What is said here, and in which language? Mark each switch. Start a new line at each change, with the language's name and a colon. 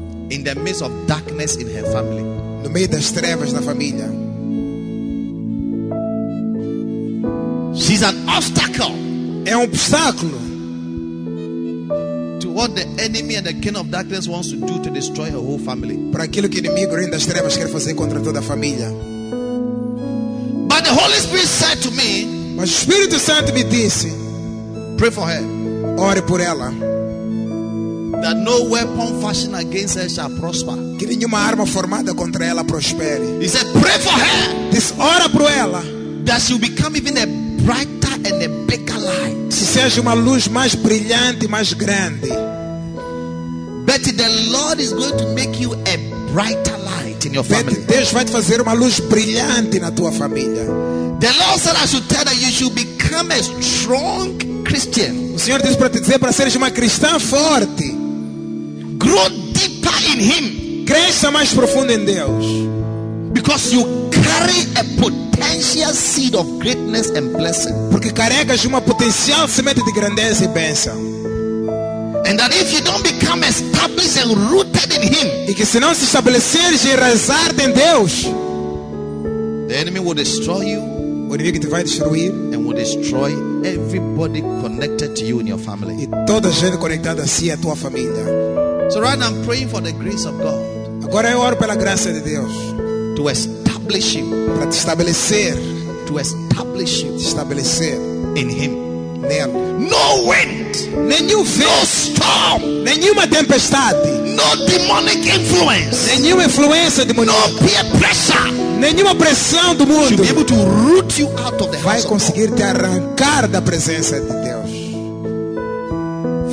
English: In the midst of darkness in her family.
Portuguese: No meio das trevas da família.
English: She's an obstacle.
Portuguese: É obstáculo.
English: To what the enemy and the king of darkness wants to do to destroy her whole family.
Portuguese: Para aquilo que o inimigo e das trevas quer fazer contra toda a família.
English: But the Holy Spirit said to me.
Portuguese: Mas o Espírito Santo me disse.
English: Pray for her.
Portuguese: Ore por ela.
English: That no weapon fashioned against her shall prosper.
Portuguese: Que nenhuma arma formada contra ela prospere.
English: He said, pray for her.
Portuguese: Diz, ora por ela.
English: That she will become even a brighter and a bigger light.
Portuguese: Se seja uma luz mais brilhante, mais grande.
English: Betty, the Lord is going to make you a brighter light in your family.
Portuguese: Betty, Deus vai te fazer uma luz brilhante na tua família.
English: The Lord said I should tell that you should become a strong Christian.
Portuguese: O Senhor disse para te dizer para seres uma cristã forte.
English: Grow deeper in Him.
Portuguese: Cresça mais profundo em Deus.
English: Because you carry a potential seed of greatness and blessing.
Portuguese: Porque carregas uma potencial semente de grandeza e bênção.
English: And that if you don't become established and rooted in Him,
Portuguese: e que se não se estabeleceres e enraizar em Deus,
English: the enemy will destroy you.
Portuguese: O inimigo te vai destruir.
English: And will destroy everybody connected to you in your family.
Portuguese: E toda a gente conectada a si e a tua família.
English: So right now I'm praying for the grace of God.
Portuguese: Agora eu oro pela graça de Deus.
English: To establish you,
Portuguese: para te estabelecer,
English: to establish you,
Portuguese: te estabelecer
English: in Him,
Portuguese: nele.
English: No wind,
Portuguese: nenhum vento,
English: no storm,
Portuguese: nenhuma tempestade,
English: no demonic influence,
Portuguese: nenhuma influência demoníaca,
English: no peer pressure,
Portuguese: nenhuma pressão do mundo,
English: should be able to root you out of the house.
Portuguese: Vai conseguir te arrancar da presença de Deus.